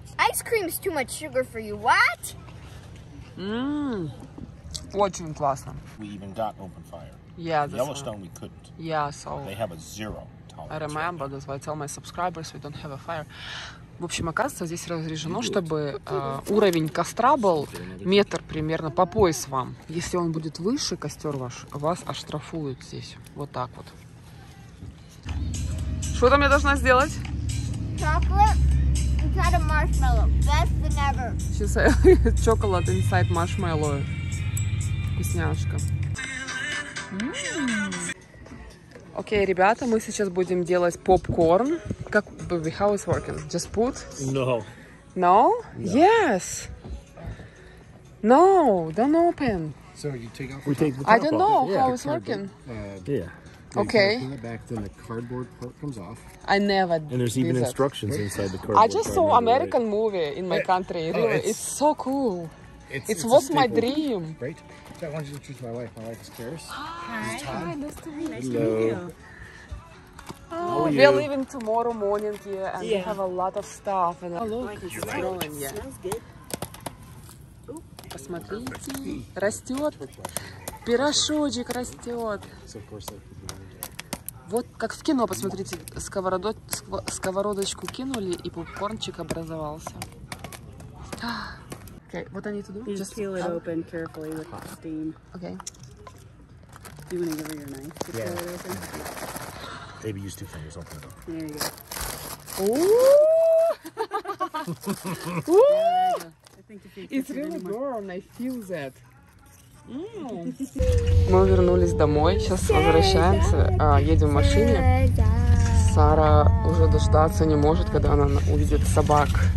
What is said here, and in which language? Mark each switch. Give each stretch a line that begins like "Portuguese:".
English: Ice cream is too much sugar for you. What?
Russian: Очень классно.
English: We even got open fire. Yeah, that's Yellowstone right. We couldn't. Yeah, so they have a zero tolerance. I remember, that's why I tell my subscribers we don't have a fire.
Russian: В общем, оказывается, здесь разрешено, чтобы уровень костра был метр примерно по пояс вам. Если он будет выше, костер ваш, вас оштрафуют здесь. Вот так вот. Что там я должна сделать?
English: Inside a marshmallow. Best thing ever. She said chocolate inside marshmallow.
Russian: Вкусняшка. Окей, ребята, мы сейчас будем делать попкорн. Как
English: baby, how it's working? Just put? No? Yes. No, don't open. So you take off the top. I don't know how it's working. Okay. You open it back, then the cardboard part comes off. I never. And there's even instructions inside the cardboard. I just saw American movie in my country. Really, it's so cool. It's was my dream. Right. So I want you to introduce my wife. My wife is Karis. Hi. Hi. Nice to meet you. Nice to meet you. Oh, we're leaving tomorrow morning here, and we have a lot of stuff. And oh, look, it's growing. Yeah. Smells good. Oh.
Russian: Посмотрите, растет. Пирожочек растет. Вот как в кино, посмотрите, сковородочку кинули, и попкорнчик образовался.
English: Okay, what I need to do? You just peel it open carefully with the steam. Okay. Do you want to give her your knife to peel it open? Maybe use two fingers, open it up. There you go. Ooh! Ooh! It's really warm, I feel that.
Russian: Мы вернулись домой, сейчас возвращаемся, едем в машине. Сара уже дождаться не может, когда она увидит собак.